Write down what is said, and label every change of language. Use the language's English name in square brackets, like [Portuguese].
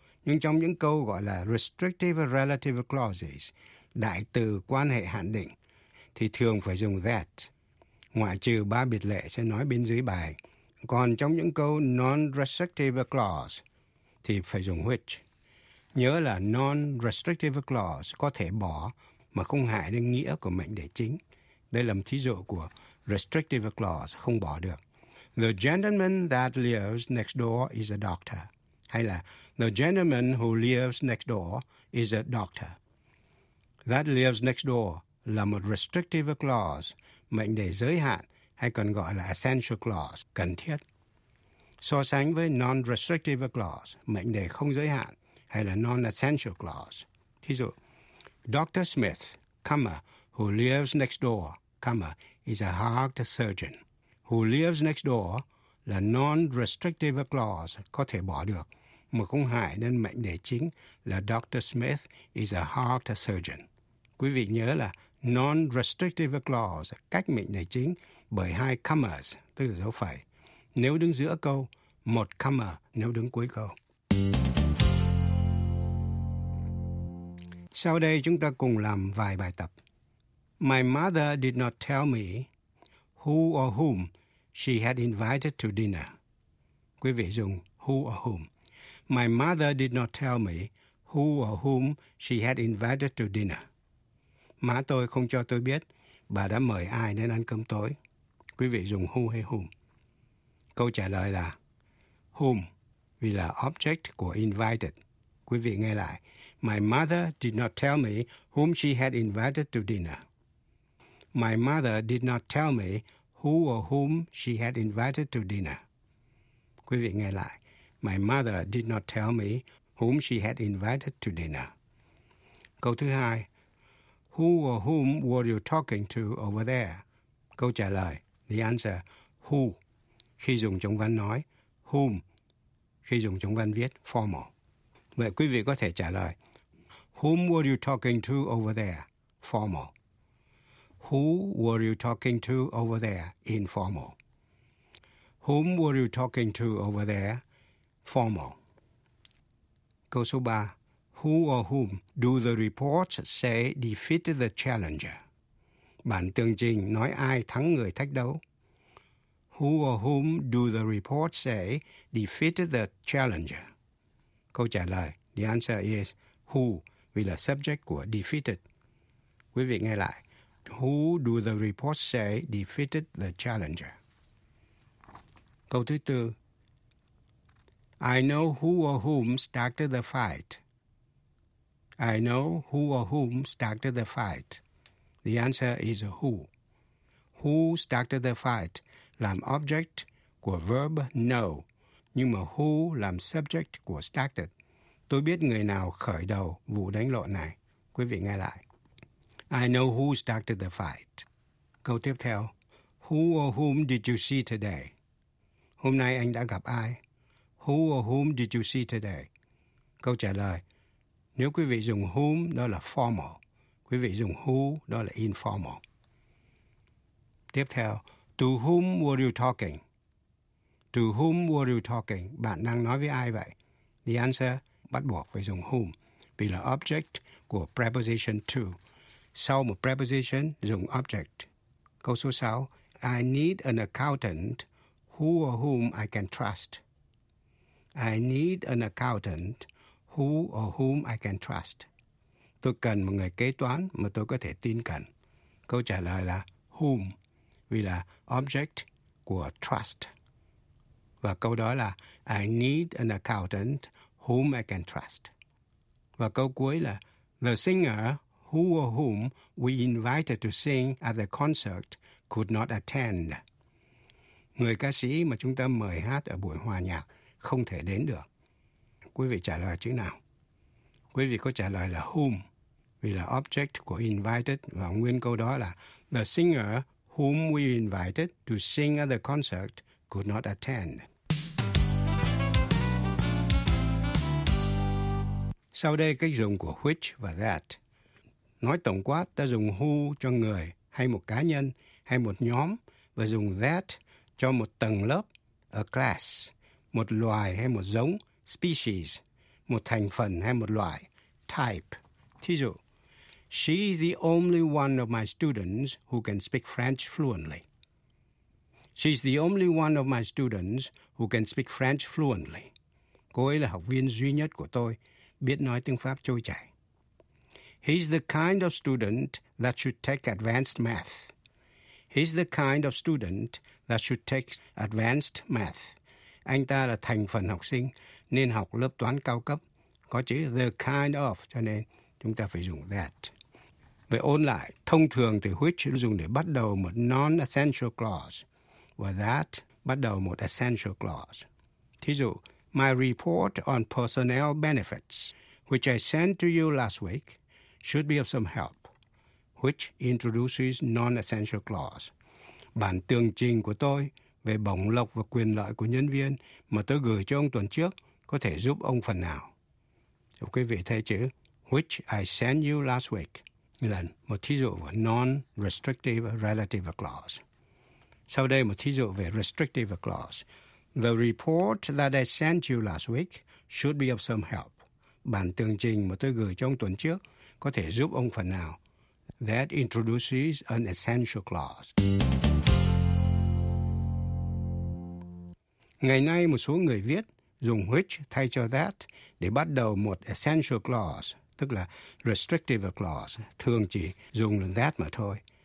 [Vietnamese] Nhưng trong những câu gọi là restrictive relative clauses, đại từ quan hệ hạn định, thì thường phải dùng that, ngoại trừ ba biệt lệ sẽ nói bên dưới bài. Còn trong những câu non-restrictive clause thì phải dùng which. Nhớ là non-restrictive clause có thể bỏ mà không hại đến nghĩa của mệnh đề chính. Đây là một thí dụ của restrictive clause không bỏ được. [English] The gentleman that lives next door is a doctor. [Vietnamese] Hay là [English] the gentleman who lives next door is a doctor. That lives next door [Vietnamese] là một restrictive clause, mệnh đề giới hạn, hay còn gọi là essential clause, cần thiết. So sánh với non-restrictive clause, mệnh đề không giới hạn, hay là non-essential clause. Thí dụ, [English] Dr. Smith, comma, who lives next door, comma, is a heart surgeon. Who lives next door [Vietnamese] là non-restrictive clause có thể bỏ được, mà không hại đến mệnh đề chính là Dr. [English] Smith is a heart surgeon. [Vietnamese] Quý vị nhớ là non-restrictive clause cách mệnh đề chính bởi hai commas, tức là dấu phẩy, nếu đứng giữa câu, một comma nếu đứng cuối câu. Sau đây chúng ta cùng làm vài bài tập. [English] My mother did not tell me who or whom she had invited to dinner. [Vietnamese] Quý vị dùng [English] who or whom. My mother did not tell me who or whom she had invited to dinner. [Vietnamese] Má tôi không cho tôi biết bà đã mời ai đến ăn cơm tối. Quý vị dùng who hay whom. Câu trả lời là whom, vì là object của invited. Quý vị nghe lại. [English] My mother did not tell me whom she had invited to dinner. My mother did not tell me who or whom she had invited to dinner. [Vietnamese] Quý vị nghe lại. [English] My mother did not tell me whom she had invited to dinner. [Vietnamese] Câu thứ hai. [English] Who or whom were you talking to over there? [Vietnamese] Câu trả lời. [English] The answer, [Vietnamese] who, khi dùng trong văn nói, whom, khi dùng trong văn viết, formal. Vậy quý vị có thể trả lời, [English] whom were you talking to over there, formal. Who were you talking to over there, informal. Whom were you talking to over there, formal. [Vietnamese] Câu số 3, [English] who or whom do the reports say defeated the challenger? [Vietnamese] Bản tường trình nói ai thắng người thách đấu. [English] Who or whom do the report say defeated the challenger? [Vietnamese] Câu trả lời, [English] the answer is who, [Vietnamese] vì là subject của defeated. Quý vị nghe lại. [English] Who do the report say defeated the challenger? [Vietnamese] Câu thứ tư. [English] I know who or whom started the fight. I know who or whom started the fight. The answer is who. Who started the fight [Vietnamese] làm object của verb know, nhưng mà who làm subject của started. Tôi biết người nào khởi đầu vụ đánh lộn này. Quý vị nghe lại. [English] I know who started the fight. [Vietnamese] Câu tiếp theo. [English] Who or whom did you see today? [Vietnamese] Hôm nay anh đã gặp ai? [English] Who or whom did you see today? [Vietnamese] Câu trả lời, nếu quý vị dùng whom, đó là formal. Quý vị dùng who, đó là informal. Tiếp theo, [English] to whom were you talking? To whom were you talking? [Vietnamese] Bạn đang nói với ai vậy? [English] The answer, [Vietnamese] bắt buộc phải dùng whom, vì là object của preposition to. Sau một preposition, dùng object. Câu số 6, [English] I need an accountant who or whom I can trust. I need an accountant who or whom I can trust. [Vietnamese] Tôi cần một người kế toán mà tôi có thể tin cậy. Câu trả lời là whom, vì là object của trust. Và câu đó là [English] I need an accountant whom I can trust. [Vietnamese] Và câu cuối là [English] the singer who or whom we invited to sing at the concert could not attend. [Vietnamese] Người ca sĩ mà chúng ta mời hát ở buổi hòa nhạc không thể đến được. Quý vị trả lời chữ nào? Quý vị có trả lời là whom, vì là object của invited, và nguyên câu đó là [English] the singer whom we invited to sing at the concert could not attend. [Vietnamese] Sau đây cách dùng của which và that. Nói tổng quát, ta dùng who cho người hay một cá nhân hay một nhóm, và dùng that cho một tầng lớp, a class, một loài hay một giống, species, một thành phần hay một loại, type. Thí dụ, [English] she is the only one of my students who can speak French fluently. She is the only one of my students who can speak French fluently. [Vietnamese] Cô ấy là học viên duy nhất của tôi, biết nói tiếng Pháp trôi chảy. [English] He's the kind of student that should take advanced math. He's the kind of student that should take advanced math. [Vietnamese] Anh ta là thành phần học sinh nên học lớp toán cao cấp. Có chữ the kind of, cho nên chúng ta phải dùng that. Vậy ôn lại, thông thường thì which dùng để bắt đầu một non-essential clause, và that bắt đầu một essential clause. Thí dụ, [English] my report on personnel benefits, which I sent to you last week, should be of some help. Which introduces non-essential clause. [Vietnamese] Bản tường trình của tôi về bổng lộc và quyền lợi của nhân viên mà tôi gửi cho ông tuần trước có thể giúp ông phần nào. Thì quý vị thấy chữ [English] which I sent you last week [Vietnamese] là một thí dụ của non-restrictive relative clause. Sau đây một thí dụ về restrictive clause. [English] The report that I sent you last week should be of some help. [Vietnamese] Bản tường trình mà tôi gửi cho ông tuần trước có thể giúp ông phần nào. [English] That introduces an essential clause. [Vietnamese] Ngày nay một số người viết dùng which thay cho that để bắt đầu một essential clause, tức là restrictive clause, thường chỉ dùng that mà thôi.